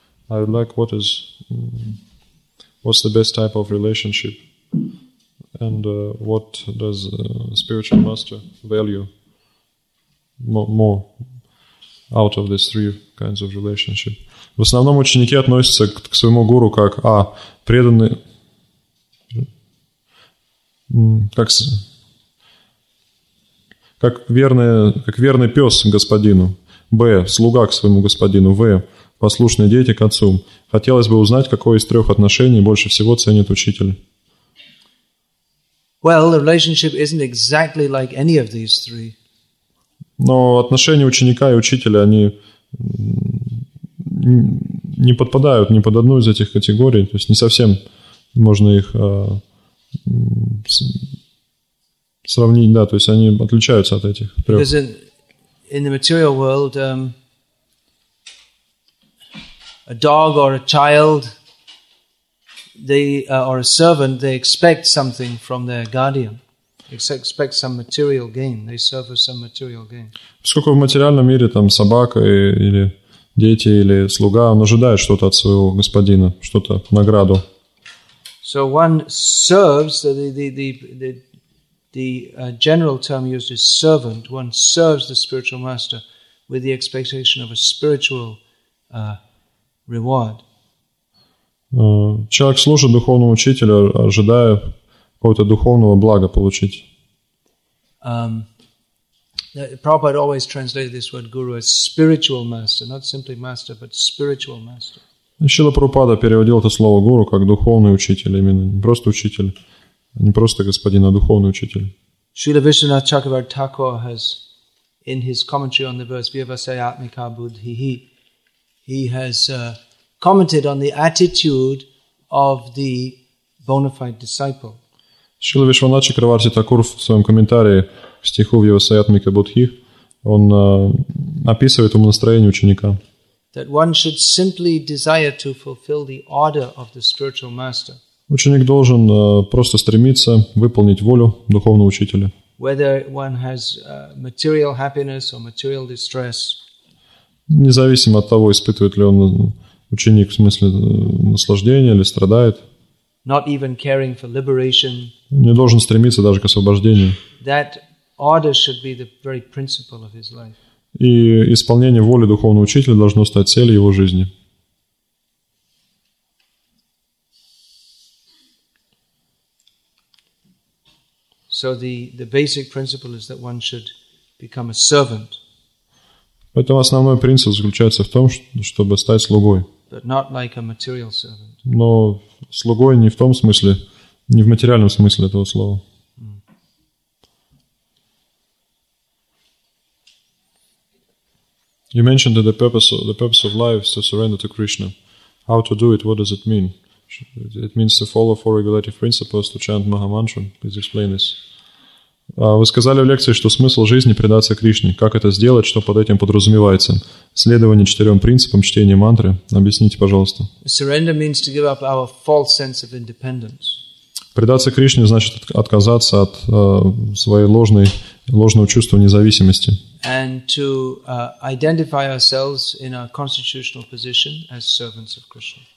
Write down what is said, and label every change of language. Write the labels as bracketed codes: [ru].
[en] I would like what's the best type of relationship? And what does spiritual master value more out of these three kinds of relationship? [ru] В основном ученики относятся к своему гуру как а преданный, как верный пес к господину, б слуга к своему господину, в послушные дети к отцу. Хотелось бы узнать, какое из трех отношений больше всего ценит учитель. [en] Well, the relationship isn't exactly like any of these three. [ru] Но отношения ученика и учителя, они не подпадают ни под одну из этих категорий, то есть не совсем можно их сравнить, да, то есть они отличаются от этих трех. [en] Because in the material world, a dog or a child, or a servant, they expect something from their guardian. They expect some material gain. They serve for some material gain. [ru] Сколько в материальном мире там собака или дети или слуга, он ожидает что-то от своего господина, что-то награду. [en] So one serves the general term used is servant. One serves the spiritual master with the expectation of a spiritual reward. [ru] Человек служит духовному учителю, ожидая какого-то духовного блага получить. [en] Prabhupada always translated this word guru as spiritual master, not simply master, but spiritual master. [ru] Шрила Прабхупада переводил это слово гуру как духовный учитель, именно не просто учитель, не просто господин, а духовный учитель. [en] Шрила Вишванатх Чакраварти Тхакур has, in his commentary on the verse "Vyavasaya Atmika Buddhihi," commented on the attitude of the bona fide disciple. [ru] Шрила Вишванатх Чакраварти Тхакур в своем комментарии к стиху "Vyavasaya Atmika Buddhihi" он описывает ему настроение ученика. [en] That one should simply desire to fulfill the order of the spiritual master. [ru] Ученик должен просто стремиться выполнить волю духовного учителя. [en] Whether one has material happiness or material distress. [ru] Независимо от того, испытывает ли он ученик в смысле наслаждения или страдает. [en] Not even caring for liberation. [ru] Не должен стремиться даже к освобождению. [en] That order should be the very principle of his life. [ru] И исполнение воли духовного учителя должно стать целью его жизни. [en] So the basic principle is that one should become a servant. [ru] Поэтому основной принцип заключается в том, чтобы стать слугой. [en] But not like a material servant. [ru] Но слугой не в том смысле, не в материальном смысле этого слова. [en] You mentioned that the purpose of life is to surrender to Krishna. How to do it? What does it mean? It means to follow four regulative principles, to chant Mahamantra. Please explain this. [ru] Вы сказали в лекции, что смысл жизни – предаться Кришне. Как это сделать? Что под этим подразумевается? Следование четырем принципам чтения мантры. Объясните, пожалуйста. [en] Surrender means to give up our false sense of independence. [ru] Предаться Кришне значит отказаться от своей ложного чувства независимости. [en] And to identify ourselves in our constitutional position as servants of Krishna.